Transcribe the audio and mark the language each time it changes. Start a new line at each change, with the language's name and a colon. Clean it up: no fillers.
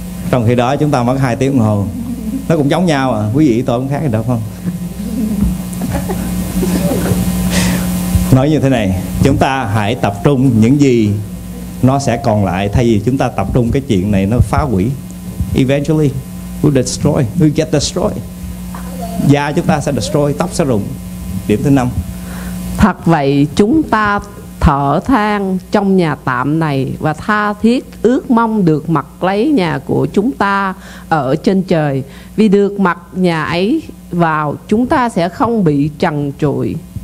Vietnamese: Trong khi đó chúng ta mất 2 tiếng đồng hồ. Nó cũng giống nhau à. Quý vị tôi cũng khác gì đâu không. Nói như thế này, chúng ta hãy tập trung những gì nó sẽ còn lại, thay vì chúng ta tập trung cái chuyện này nó phá hủy.
English: Eventually we'll destroy, we'll get destroyed.
Vietnamese: Da chúng ta sẽ destroy, tóc sẽ rụng. Điểm thứ 5. Thật vậy, chúng ta thở than trong nhà tạm này và tha thiết ước mong được mặc lấy nhà của chúng ta ở trên trời. Vì được mặc nhà ấy vào, chúng ta sẽ không bị trần trụi.